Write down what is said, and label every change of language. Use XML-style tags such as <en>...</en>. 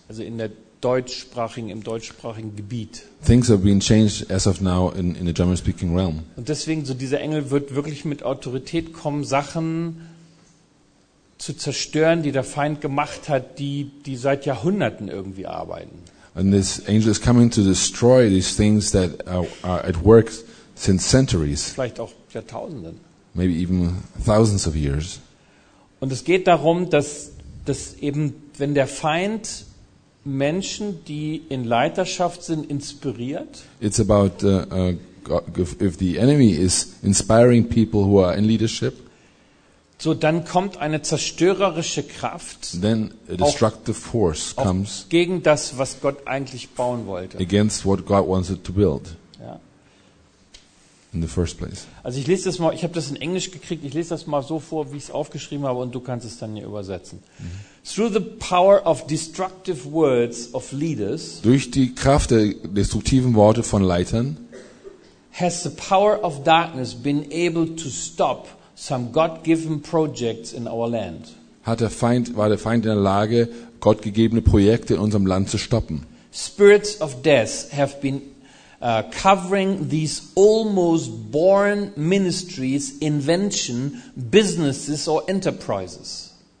<de>also in der deutschsprachigen Gebiet.</de> <en>Things are being changed as of now in the German speaking realm.</en> <de>Und deswegen so dieser Engel wird wirklich mit Autorität kommen, Sachen zu zerstören, die der Feind gemacht hat, die seit Jahrhunderten irgendwie arbeiten.</de> <en>And this angel is coming to destroy these things that are at work since centuries.</en> <de>Vielleicht auch Jahrtausenden.</de> <en>Maybe even thousands of years.</en> <de>Und es geht darum, dass eben, wenn der Feind Menschen, die in Leiterschaft sind, inspiriert.</de> <en>It's about if the enemy is inspiring people who are in leadership.</en> <de>So, dann kommt eine zerstörerische Kraft.</de> <en>Then a destructive force comes</en> <de>gegen das, was Gott eigentlich bauen wollte.</de> <en>Against what God wanted to build.</en> <de>Ja.</de> <en>In the first place.</en> <de>Also ich lese das mal, ich habe das in Englisch gekriegt, ich lese das mal so vor, wie ich es aufgeschrieben habe und du kannst es dann hier übersetzen. Mm-hmm.</de> <en>Through the power of destructive words of leaders.</en> <de>Durch die Kraft der destruktiven Worte von Leitern.</de> <en>Has the power of darkness been able to stop some God-given projects in our land.</en> <de>War der Feind in der Lage, gottgegebene Projekte in unserem Land zu stoppen?</de> <en>Spirits of death have been covering these almost born ministries, invention, businesses or enterprises.</en>